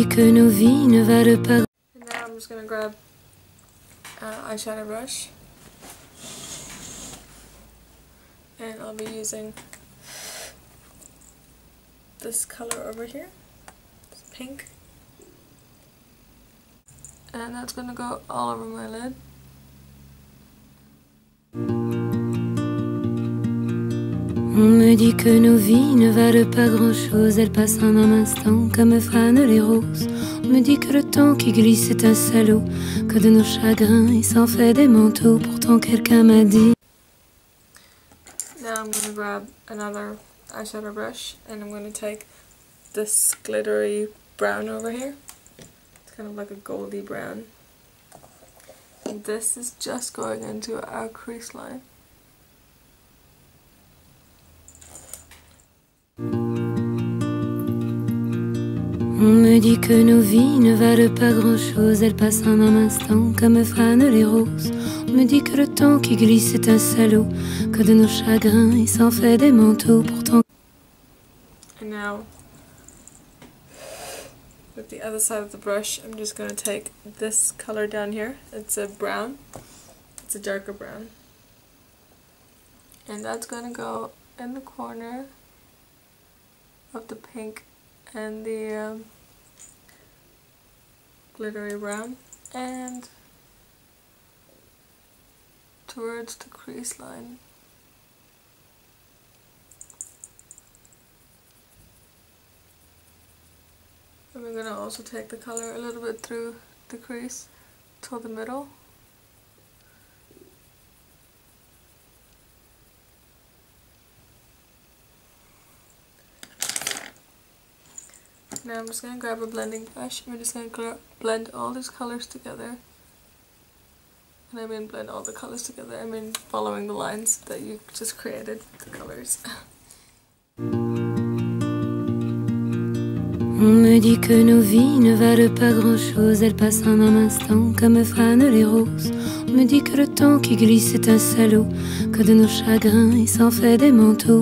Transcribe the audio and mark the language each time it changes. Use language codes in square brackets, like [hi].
[en] I'm just gonna grab an eyeshadow brush, and I'll be using this color over here, this pink, and that's gonna go all over my lid. [fr] On me dit que nos vies ne valent pas grand chose, elles passent en un instant comme fanent les roses. On me dit que le temps qui glisse est un salaud, que de nos chagrins il s'en fait des manteaux. Pourtant quelqu'un m'a dit. [en] Now I'm gonna grab another eyeshadow brush, and I'm gonna take this glittery brown over here. It's kind of like a goldy brown. And this is just going into our crease line. [fr] On me dit que nos vies ne valent pas grand chose, elles passent en un instant comme fanent les roses. On me dit que le temps qui glisse est un salaud, que de nos chagrins il s'en fait des manteaux. Pourtant. [en] And now, with the other side of the brush, I'm just going to take this color down here. It's a brown, it's a darker brown. And that's going to go in the corner of the pink and the glittery brown, and towards the crease line. And we're gonna also take the color a little bit through the crease toward the middle. Now I'm just going to grab a blending brush, and we're just going to blend all these colors together. And I mean blend all the colors together, I mean following the lines that you just created, the colors. [fr] On me dit que nos vies ne valent pas grand chose, elles passent en un instant comme fanent les roses. On me dit que le temps qui glisse est un salaud, que de nos chagrins il s'en fait des manteaux.